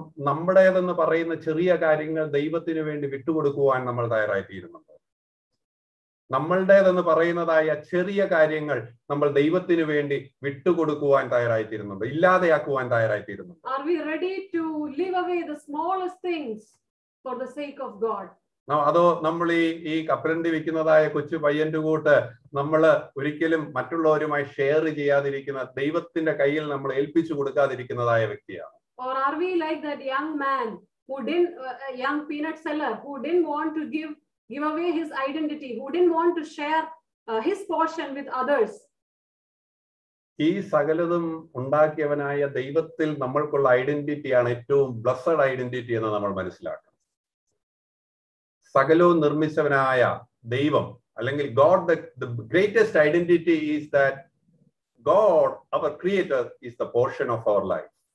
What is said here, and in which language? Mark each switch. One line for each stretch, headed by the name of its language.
Malayalam: നമ്മുടേതെന്ന് പറയുന്ന ചെറിയ കാര്യങ്ങൾ ദൈവത്തിന് വേണ്ടി വിട്ടുകൊടുക്കുവാൻ നമ്മൾ തയ്യാറായി തീരുന്നുണ്ട്. നമ്മളുടേതെന്ന് പറയുന്നതായ ചെറിയ കാര്യങ്ങൾ നമ്മൾ ദൈവത്തിന് വേണ്ടി വിട്ടുകൊടുക്കുവാൻ തയ്യാറായി തീരുന്നുണ്ട്, ഇല്ലാതെയാക്കുവാൻ തയ്യാറായി തീരുന്നുണ്ട്.
English: Are we ready to live away the smallest things for the sake of God?
Malayalam: അതോ നമ്മൾ ഈ കപ്പലണ്ടി വെക്കുന്നതായ കൊച്ചു പയ്യന്റെ കൂട്ട് നമ്മൾ ഒരിക്കലും മറ്റുള്ളവരുമായി ഷെയർ ചെയ്യാതിരിക്കുന്ന, ദൈവത്തിന്റെ കയ്യിൽ നമ്മൾ ഏൽപ്പിച്ചു കൊടുക്കാതിരിക്കുന്നതായ വ്യക്തിയാണ്.
English: Or are we like that young man who didn't, young peanut seller who didn't want to give away his identity, who didn't want to share his portion with others.
Malayalam: ഈ സകലതും ഉണ്ടാക്കിയവനായ ദൈവത്തിൽ നമ്മൾക്കുള്ള ഐഡന്റിറ്റിയാണ് ഏറ്റവും ബ്ലെസ്ഡ് ഐഡന്റിറ്റി എന്ന് നമ്മൾ മനസ്സിലാക്കണം. സകലവും നിർമ്മിച്ചവനായ ദൈവം, അല്ലെങ്കിൽ
English: God, the greatest identity is that God അവർ creator is the portion of അവർ life.